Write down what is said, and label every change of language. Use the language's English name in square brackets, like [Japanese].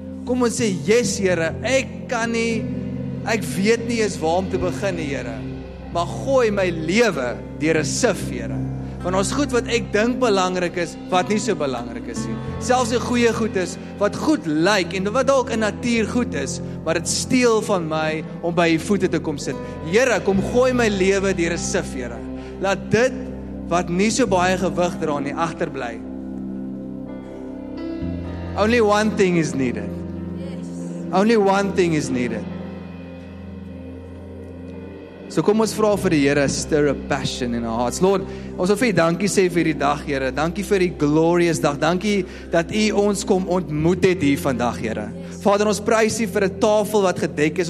[Afrikaans] Kom ons sê, yes, Here, ek kan nie, ek weet nie eens waar om te begin, Here. Maar gooi my lewe deur 'n sif, Here. Want ons goed wat ek dink belangrik is, wat nie so belangrik is nie. Selfs die goeie goed is, wat goed lyk en wat dalk in natuur goed is, maar dit steel van my om by die voete te kom sit. Here, kom gooi my lewe deur 'n sif, Here. Laat dit wat nie so baie gewig dra nie agterbly. [English] Only one thing is needed. Only one thing is needed. [Afrikaans] So kom ons vra vir die Here, [English] stir a passion in our hearts. [Afrikaans] Lord, ons wil vir U dankie sê vir hierdie dag, Here. Dankie vir die glorious dag. Dankie dat U ons kom ontmoet het hier vandag, Here. Vader, ons prys U vir 'n tafel wat gedek is.